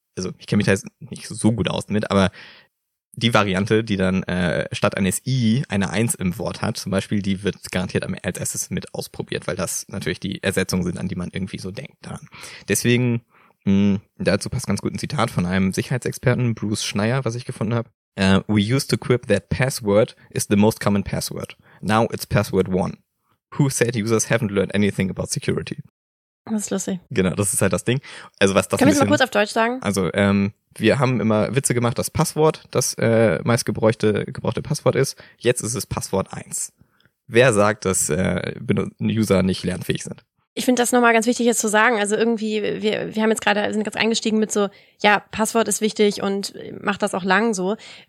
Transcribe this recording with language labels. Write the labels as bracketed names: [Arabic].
[German] Also ich kenne mich da jetzt nicht so gut aus damit, aber die Variante, die dann statt eines I eine 1 im Wort hat, zum Beispiel, die wird garantiert als erstes mit ausprobiert, weil das natürlich die Ersetzungen sind, an die man irgendwie so denkt daran. Deswegen Dazu passt ganz gut ein Zitat von einem Sicherheitsexperten, Bruce Schneier, was ich gefunden habe. [English] We used to quip that password is the most common password. Now it's password one. Who said users haven't learned anything about security? [German] Das ist lustig. Genau, das ist halt das Ding. Also was das. Können wir es mal kurz auf Deutsch sagen? Also wir haben immer Witze gemacht, dass Passwort das meistgebrauchte Passwort ist. Jetzt ist es Passwort 1. Wer sagt, dass User nicht lernfähig sind? Ich finde das nochmal ganz wichtig, jetzt zu sagen. Also irgendwie, wir haben jetzt gerade, sind gerade eingestiegen mit so, ja, Passwort ist wichtig und mach das auch lang so.